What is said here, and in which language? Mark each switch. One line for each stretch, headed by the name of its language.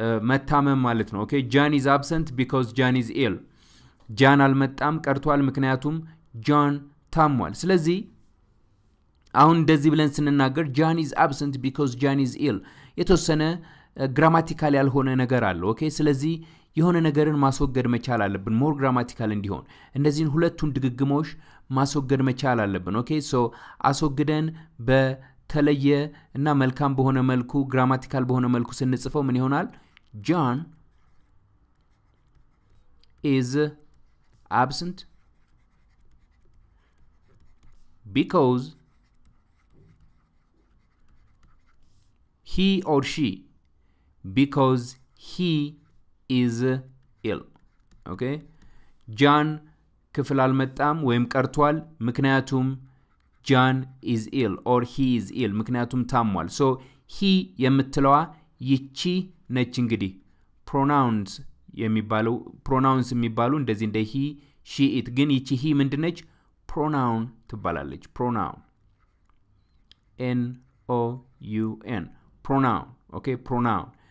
Amharic: መታመም ማለት ነው ኦኬ
English: ጃን ኢዝ አብሰንት ቢኮዝ ጃን ኢዝ ኢል
Amharic: ጃን አልመጣም ቀርቷል ምክንያቱም ጃን ታሟል ስለዚህ አሁን እንደዚህ ብለን ስንናገር ጃን ኢዝ አብሰንት ቢኮዝ ጃን ኢዝ ኢል የተወሰነ ግራማቲካል ያልሆነ ነገር አለ ኦኬ ስለዚህ የሆነ ነገርን ማስወገድ መቻል አለብን ሞር ግራማቲካል እንዲሆን እንደዚህን ሁለቱን ድግግሞሽ ማስወገድ መቻል አለብን ኦኬ ሶ አስወግደን በ ተለየ እና መልካም በሆነ መልኩ ግራማቲካል በሆነ መልኩ ስንጽፈው ምን ይሆናል?
English: John is absent because he or she because he is ill. Okay? John
Amharic: ክፍል አልመጣም ወይም ቀርቷል ምክንያቱም
English: John is ill or he is ill.
Amharic: ምክንያቱም ታሟል. So he የምትለዋ ይቺ ነች እንግዲህ. Pronouns የሚባሉ pronouns የሚባሉ እንደዚህ እንደ he, she, it ግን ይቺ he ምንድነች? Pronoun ትባላለች.
English: Pronoun. N-O-U-N. Pronoun. Okay, pronoun.